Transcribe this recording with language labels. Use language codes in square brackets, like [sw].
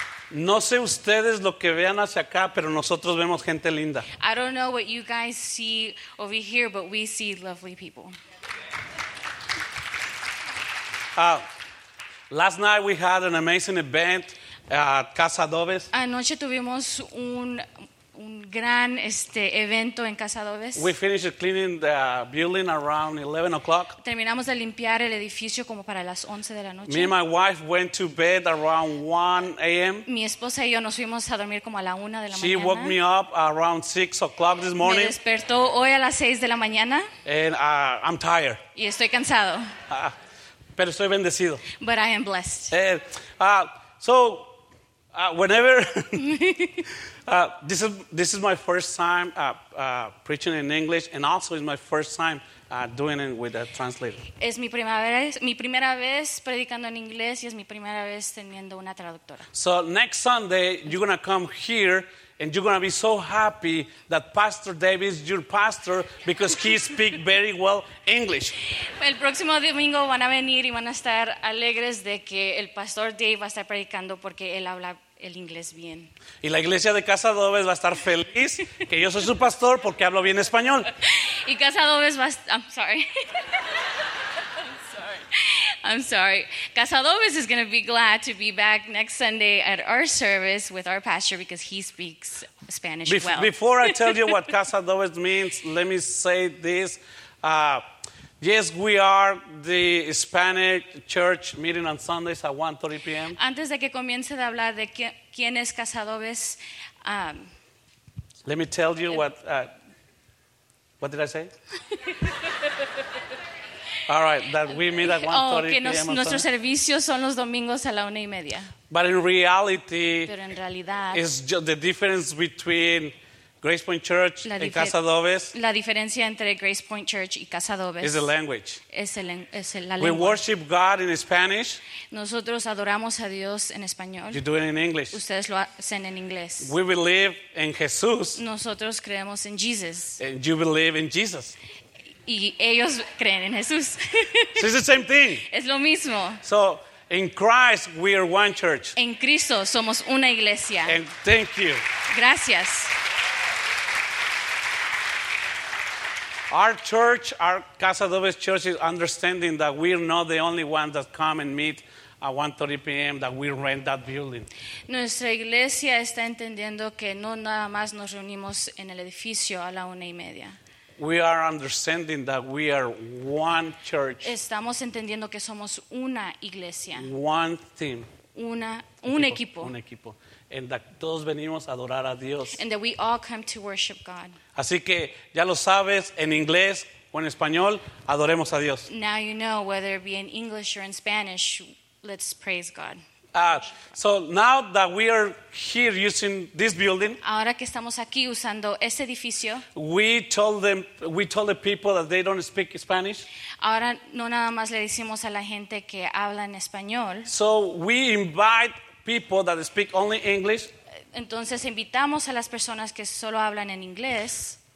[es] No sé ustedes lo que vean hacia acá, pero nosotros vemos gente linda. [en] I don't know what you guys see over here, but we see lovely people. Last night we had an amazing event at Casa Adobes. [es] Anoche tuvimos un gran evento en Casa Adobes. [en] We finished cleaning the building around 11 o'clock. [es] Terminamos de limpiar el edificio como para las 11 de la noche. [en] Me and my wife went to bed around 1 a.m. [es] Mi esposa y yo nos fuimos a dormir como a la 1 de la [en] she [es] mañana. [en] She woke me up around 6 o'clock this morning. [es] Me despertó hoy a las 6 de la mañana. [en] And I'm tired. [es] Y estoy cansado. Pero estoy bendecido. [en] But I am blessed. This is my first time preaching in English, and also it's my first time doing it with a translator. [es] Es mi primera vez predicando en inglés y es mi primera vez teniendo una traductora. [en] So next Sunday you're gonna come here And you're going to be so happy that Pastor Dave is your pastor because he speaks very well English. [es] El próximo domingo van a venir y van a estar alegres de que el Pastor Dave va a estar predicando porque él habla el inglés bien. Y la iglesia de Casa Adobes va a estar feliz que yo soy su pastor porque hablo bien español. Y Casa Adobes va a estar... [en] I'm sorry. Casa Adobes is going to be glad to be back next Sunday at our service with our pastor because he speaks Spanish well. Before I tell you what Casa Adobes means, let me say this. Yes, we are the Hispanic church meeting on Sundays at 1:30 p.m. [es] Antes de que comience de hablar de quién es Casa Adobes, [en] let me tell you what did I say? All right, that we meet at 1:30 p.m. [es] Nuestros servicios son los domingos a la una y media. [en] But in reality, [es] pero en realidad, [en] it's just the difference between Grace Point Church and Casa Adobes. [es] La diferencia entre Grace Point Church y Casa Adobes [en] is the language. [es] Es la lengua. [en] We worship God in Spanish. [es] Nosotros adoramos a Dios en español. [en] You do it in English. [es] Ustedes lo hacen en inglés. [en] We believe in Jesus. [es] Nosotros creemos en Jesus. [en] And you believe in Jesus. [es] Y ellos creen en Jesús. [en] So it's the same thing. [es] Es lo mismo. [en] So in Christ we are one church. [es] En Cristo somos una iglesia. [en] And thank you. [es] Gracias. [en] Our church, our Casa Adobes church, is understanding that we're not the only ones that come and meet at 1:30 p.m. that we rent that building. [es] Nuestra iglesia está entendiendo que no nada más nos reunimos en el edificio a la una y media. [en] We are understanding that we are one church. [es] Estamos entendiendo que somos una iglesia. [en] One team. [es] Un equipo. En la que todos venimos a adorar a Dios. [en] And that we all come to worship God. [es] Así que ya lo sabes, en inglés o en español, adoremos a Dios. [en] Now you know, whether it be in English or in Spanish, let's praise God. So now that we are here using this building, [es] ahora que estamos aquí usando este edificio, [en] we told the people that they don't speak Spanish. [es] Ahora no nada más le decimos a la gente que habla en español. [en] So we invite people that speak only English. [es] Entonces invitamos a las personas que solo hablan en inglés